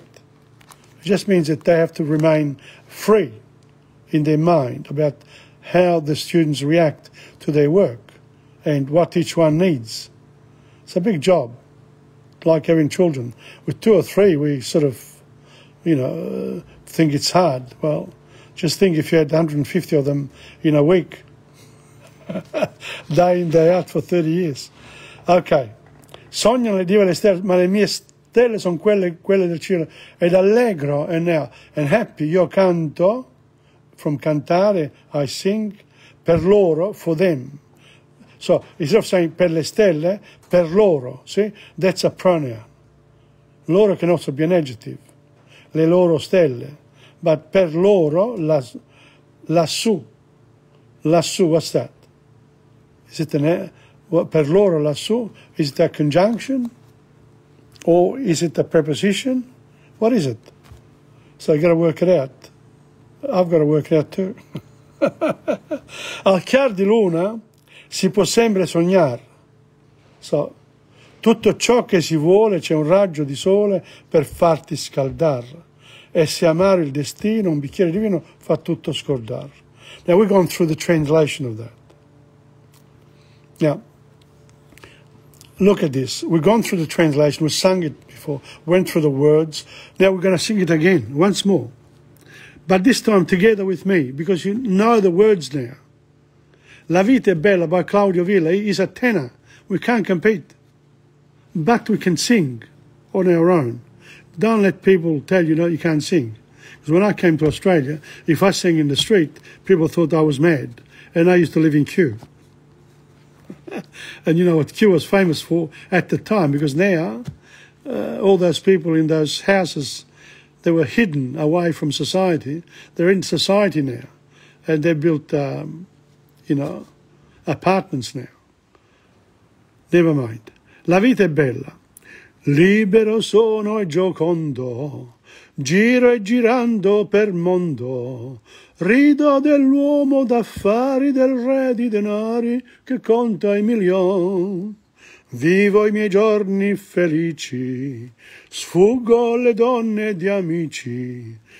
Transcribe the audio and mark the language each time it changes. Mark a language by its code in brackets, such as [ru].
[en] It just means that they have to remain free in their mind about how the students react to their work and what each one needs. It's a big job, like having children. With two or three, we sort of, you know, think it's hard. Well, just think if you had 150 of them in a week, day in, day out for 30 years. [it] Ok, sognano le dive e le stelle, ma le mie stelle sono quelle del cielo. [en] Ed allegro, and now, and happy, io canto, from cantare, I sing, per loro, for them. So, instead of saying per le stelle, per loro, see, that's a pronoun. Loro can also be an adjective, le loro stelle. But per loro, lassù, what's that? Is it an well, per loro lassù, is it a conjunction? Or is it a preposition? What is it? So I've got to work it out. I've got to work it out too. [it] Al chiar di luna si può sempre sognar. So, tutto ciò che si vuole c'è un raggio di sole per farti scaldar. E se amare il destino, un bicchiere di vino fa tutto scordar. [en] Now we're going through the translation of that. Now, look at this. We've gone through the translation. We sung it before. Went through the words. Now we're going to sing it again, once more. But this time together with me, because you know the words now. La Vita è Bella by Claudio Villa is a tenor. We can't compete. But we can sing on our own. Don't let people tell you, no, you can't sing. Because when I came to Australia, if I sang in the street, people thought I was mad. And I used to live in Kew. And you know what Kew was famous for at the time, because now all those people in those houses, they were hidden away from society. They're in society now, and they built, you know, apartments now. [it] Never mind. La vita è bella. Libero sono e giocondo, giro e girando per mondo. Rido dell'uomo d'affari, del re di denari che conta i milioni. Vivo i miei giorni felici, sfuggo alle donne di amici.